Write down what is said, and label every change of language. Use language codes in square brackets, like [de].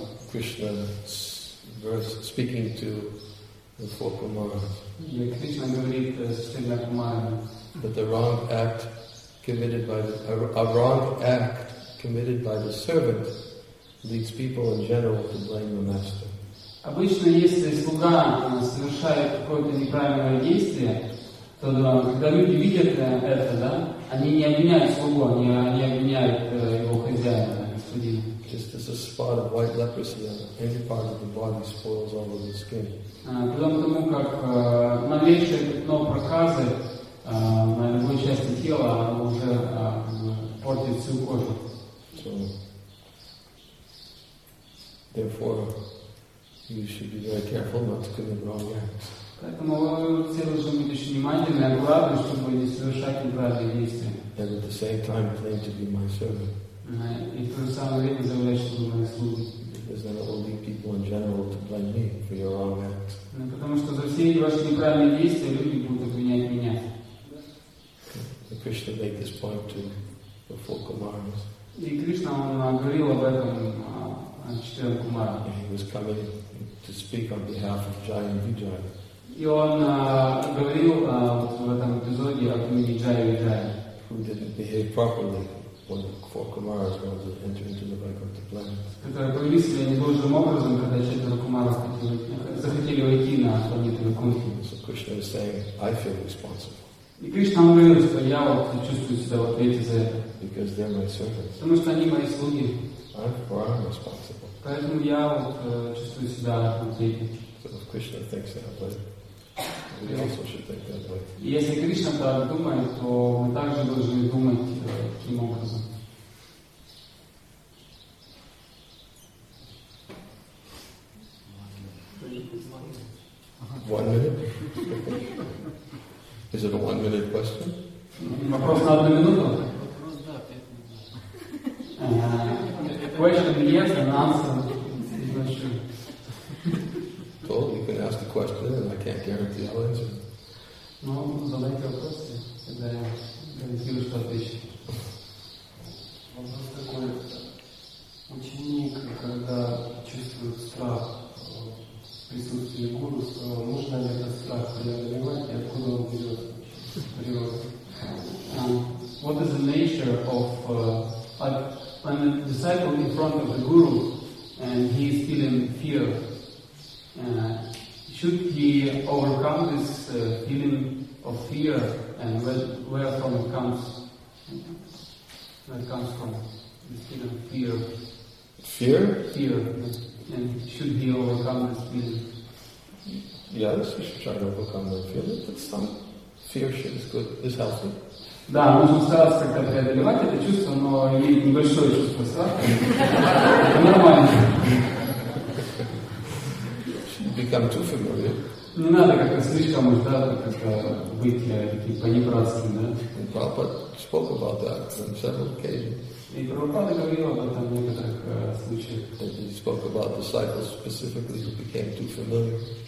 [en] Krishna verse speaking to the four Kumaras. That the wrong act committed by the servant leads people in general to blame the master. [ru] Обычно, если слуга совершает какое-то неправильное действие, то да, когда люди видят это, да, они не обвиняют слугу, они обвиняют его хозяина, господина. [en] Just as a spot of white leprosy on any part of the body spoils all of the skin. [ru] Потому как малейшее пятно проказы на любой части тела уже портит всю кожу. [en] So, therefore, you should be very careful not to commit wrong acts. [ru] Поэтому вы все должны быть очень внимательны, аккуратны, чтобы не совершать неправильные действия. [en] And at the same time, claim to be my servant. [ru] И в то же самое время заявлять, что вы мои слуги. [en] Because then it will lead people in general to blame me for your wrong acts. [ru] Потому что за все ваши неправильные действия люди будут обвинять меня. [en] And Krishna made this point to the four Kumaras. [ru] И Кришна говорил об этом четырем Кумарам. [en] He was coming to speak on behalf of Jaya and Vijaya. [ru] И он говорил в этом эпизоде о имени Джая и Виджая. [en] Who didn't behave properly when the four Kumaras wanted to enter into the Vaikuntha planets. [ru] Которые повели себя не должным образом, когда четверо Кумаров захотели войти на планету Вайкунтху. [en] So Krishna is saying, I feel responsible. [ru] И Кришна говорил, что я вот чувствую себя в ответе за это. [en] Because they're my servants. [ru] Потому что они мои слуги. [en] I'm responsible. [ru] Поэтому я вот чувствую себя в ответе. [en] So if Krishna thinks that way, we also should think that way. [ru] И если Кришна так думает, то мы также должны думать таким образом. [en] One minute? Is it a one-minute question? [ru] Вопрос на одну минуту? Вопрос, да, 5 минут. [en] Question, yes, and answer. Not sure. Told you can ask the question and I can't guarantee I'll answer. [ru] No, задайте вопрос, и тогда я гарантирую, что отвечу. Вопрос такой. Ученик, когда чувствует страх в присутствии гуру, нужно ли этот страх преодолевать и откуда он берет? [en] What is the nature of when a disciple in front of the guru and he is feeling fear, should he overcome this feeling of fear and where from it comes? Where it comes from, this feeling of fear? Fear? Fear. And should he overcome this feeling? Yes, he should try to overcome the feeling. That's some. Fear is good. Is healthy. [ru] Да, нужно стараться как-то преодолевать это чувство, но есть небольшое чувство страха. Нормально. [en] Should become too familiar. [ru] Не надо как-то слишком уж, да, как-то быть таким понебратским, да. [en] And Prabhupada spoke about that on several occasions. [ru] И Прабхупада говорил об этом в некоторых случаях. [en] He spoke about disciples specifically who became too familiar.